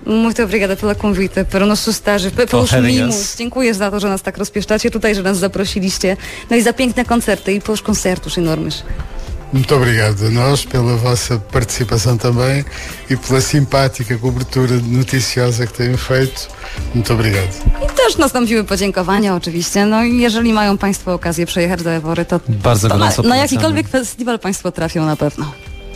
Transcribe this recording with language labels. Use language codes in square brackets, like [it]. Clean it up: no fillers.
[pt] Muito obrigada pela convite, pelo nosso estágio, pelos mimos. [pl] Dziękuję za to, że nas tak rozpieszczacie tutaj, że nas zaprosiliście. No i za piękne koncerty i [pt] pelos concertos enormes. Muito obrigado a nós pela vossa participação também e pela simpática cobertura noticiosa que têm feito. Muito obrigado. [pl] I też nastąpiły podziękowania oczywiście. No i jeżeli mają Państwo okazję przejechać do Évory, to bardzo na jakikolwiek festiwal Państwo trafią na pewno.